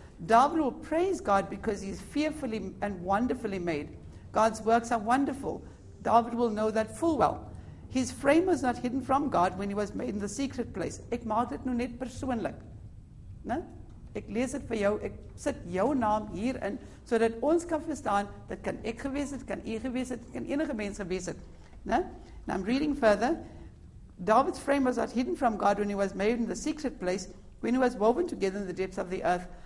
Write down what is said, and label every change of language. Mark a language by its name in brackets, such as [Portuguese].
[English] David will praise God because he is fearfully and wonderfully made. God's works are wonderful. David will know that full well. His frame was not hidden from God when he was made in the secret place. [Afrikaans] Ek maak dit nou net persoonlik. Ne? Ek lees het vir jou, ek sit jou naam hierin, so dat ons kan verstaan, dat kan ek gewees het, kan u gewees het, kan enige mens gewees het. [English] Ne? And I'm reading further. David's frame was not hidden from God when he was made in the secret place, when he was woven together in the depths of the earth.